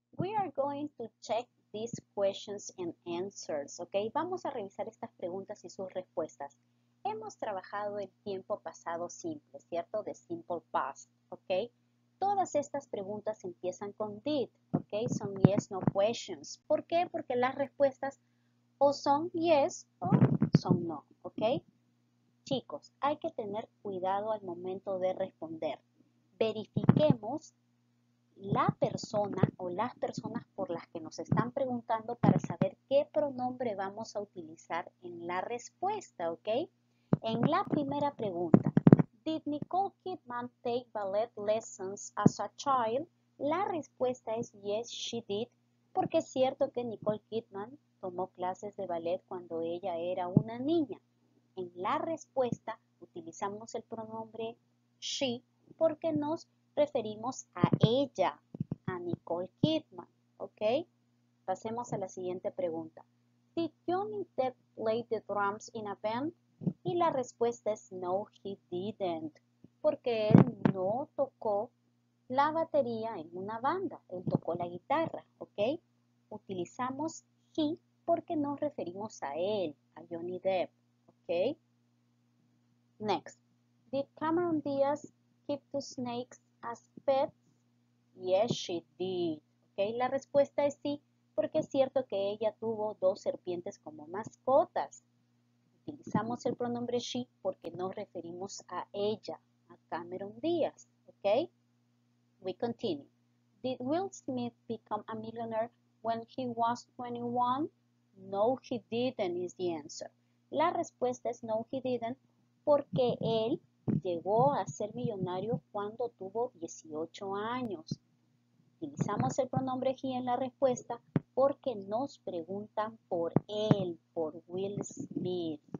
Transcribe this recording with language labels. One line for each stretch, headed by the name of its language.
English: We are going to check these questions and answers, okay?
Spanish: Vamos a revisar estas preguntas y sus respuestas. Hemos trabajado el tiempo pasado simple, ¿cierto?
English: The simple past, okay?
Spanish: Todas estas preguntas empiezan con did, ¿ok? Son yes, no questions. ¿Por qué? Porque las respuestas o son yes o son no, ¿ok? Chicos, hay que tener cuidado al momento de responder. Verifiquemos la persona o las personas por las que nos están preguntando para saber qué pronombre vamos a utilizar en la respuesta, ¿ok? En la primera pregunta.
English: Did Nicole Kidman take ballet lessons as a child?
Spanish: La respuesta es
English: yes, she did,
Spanish: porque es cierto que Nicole Kidman tomó clases de ballet cuando ella era una niña. En la respuesta utilizamos el pronombre she porque nos referimos a ella, a Nicole Kidman, ¿ok? Pasemos a la siguiente pregunta.
English: Did Johnny Depp play the drums in a band?
Spanish: Y la respuesta es
English: no, he didn't,
Spanish: porque él no tocó la batería en una banda, él tocó la guitarra, ¿ok? Utilizamos he porque nos referimos a él, a Johnny Depp, ¿ok?
English: Next, did Cameron Diaz keep the snakes as pets? Yes, she did, ¿ok?
Spanish: La respuesta es sí, porque es cierto que ella tuvo dos serpientes como mascotas. Utilizamos el pronombre she porque nos referimos a ella, a Cameron Diaz, ¿ok?
English: We continue. Did Will Smith become a millionaire when he was 21? No, he didn't is the answer.
Spanish: La respuesta es
English: no, he didn't
Spanish: porque él llegó a ser millonario cuando tuvo 18 años. Utilizamos el pronombre he en la respuesta porque nos preguntan por él, por Will Smith.